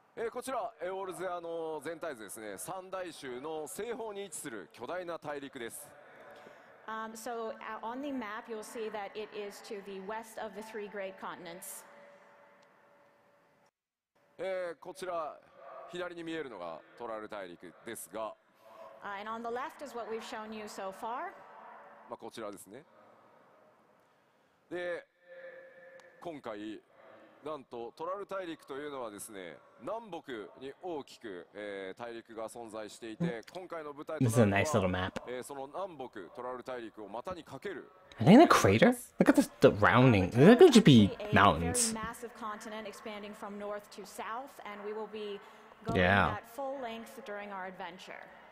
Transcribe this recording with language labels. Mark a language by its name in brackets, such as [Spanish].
[Japanese] こちらエオルゼアの全体図ですね。三大州の西方に位置する巨大な大陸です。 [English] So on the map, you'll see that it is to the west of the three great continents. [Japanese] こちら左に見えるのがトラル大陸ですが、 [English] And on the left is what we've shown you so far. [Japanese] まあこちらですね。で、今回。なんとトラル大陸というのはですね、南北に大きく、大陸が存在していて、今回の舞台となるのは、 [English] nice little map. [Japanese] その南北トラル大陸を股にかける。 [English] I think a crater? Look at the rounding. It could just be mountains. A very massive continent expanding from north to south, and we will be going at full length during our adventure.